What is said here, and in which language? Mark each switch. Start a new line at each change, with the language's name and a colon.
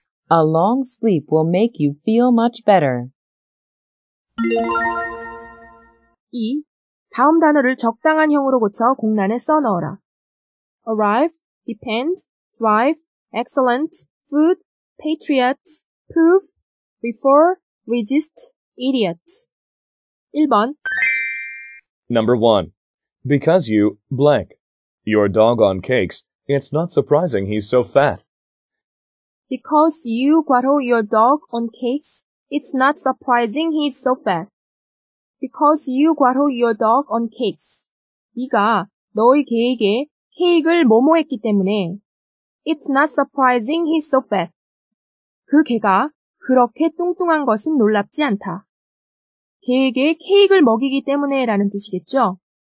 English: A long sleep will make you feel much better. 2.
Korean: 다음 단어를 적당한 형으로 고쳐 공란에 써넣어라.
English: Arrive, depend, drive, excellent, food, patriot, prove, refer, resist, idiot.
Korean: 1번
English: Number 1. Because you, blank, your dog on cakes, it's not surprising he's so fat. Because you, 괄호, your dog on cakes, it's not surprising he's so fat. Because you, 괄호, your dog on cakes.
Korean: 네가 너의 개에게 케이크를 뭐뭐했기 때문에
English: It's not surprising he's so fat.
Korean: 그 개가 그렇게 뚱뚱한 것은 놀랍지 않다. 개에게 케이크를 먹이기 때문에 라는 뜻이겠죠?